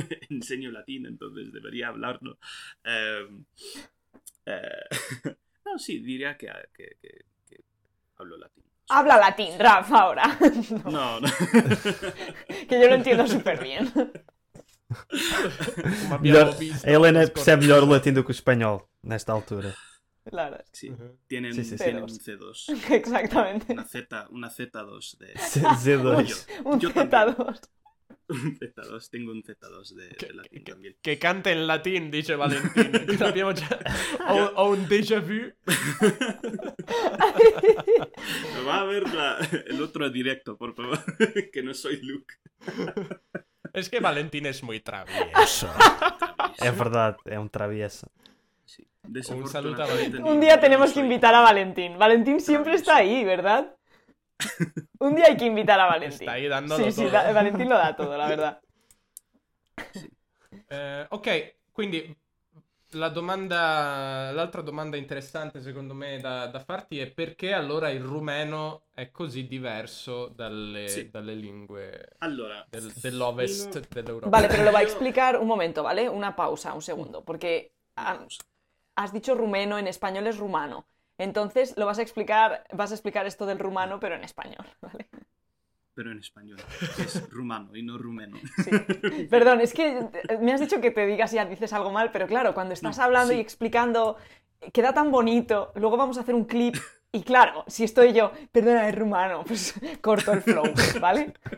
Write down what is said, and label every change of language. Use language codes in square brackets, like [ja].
[es] Enseño latín, entonces debería hablarlo. no, sí, diría que hablo latín. Habla latín, Raf, ahora. No. Que yo lo entiendo súper bien. [pt] Melhor, a Helena percebe melhor o latim do que o espanhol nesta altura. [es] Claro. Sí. Tienen, sí, sí, sí. Tienen un C2. Exactamente. Una Z2 de Z2. Un Z2, tengo un Z2 de latín también. Que cante en latín, dice Valentín. Sabíamos ya. O un déjà vu. Va a ver el otro directo, por favor. Que no soy Luke. Es que Valentín es muy travieso. Es verdad, es un travieso. Sí. Un saludo a Valentín. Un día tenemos que invitar a Valentín. Valentín siempre está ahí, ¿verdad? Un día hay que invitar a Valentín. Está ahí dándolo sí, todo. Sí, sí, Valentín lo da todo, la verdad. [it] Ok, quindi la domanda, l'altra domanda interessante secondo me da farti è perché allora il rumeno è così diverso dalle, sì, dalle lingue, allora, dell'ovest dell'Europa. [es] Vale, però lo vai a explicar un momento, vale? Una pausa, un secondo, perché has dicho rumeno, [it] in spagnolo è rumano. [es] Entonces lo vas a explicar esto del rumano, pero en español, ¿vale? Pero en español, es rumano y no rumeno. Sí. Perdón, es que me has dicho que te digas y dices algo mal, pero claro, cuando estás hablando sí, y explicando, queda tan bonito, luego vamos a hacer un clip y claro, si estoy yo, perdona, es rumano, pues corto el flow, ¿vale?